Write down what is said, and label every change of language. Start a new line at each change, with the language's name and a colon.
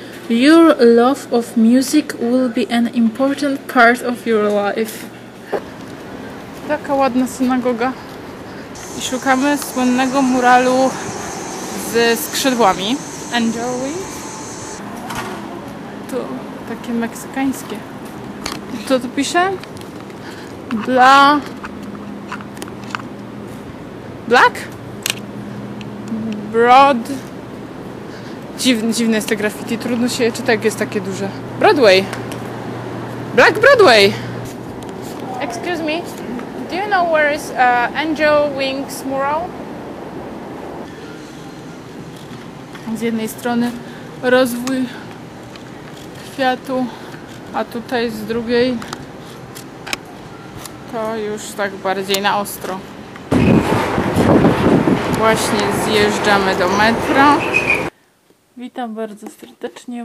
English: Your love of music will be an important part of your life.
Polish: Taka ładna synagoga. I szukamy słynnego muralu ze skrzydłami. Angel wings. To takie meksykańskie. Co tu pisze?
English: Black? Broad.
Polish: Dziwne jest te graffiti. Trudno się je czytać, jak jest takie duże.
English: Broadway. Black Broadway. Excuse me. Do you know where is Angel Wings mural?
Polish: Z jednej strony rozwój kwiatu, a tutaj z drugiej to już tak bardziej na ostro. Właśnie zjeżdżamy do metra. Witam bardzo serdecznie.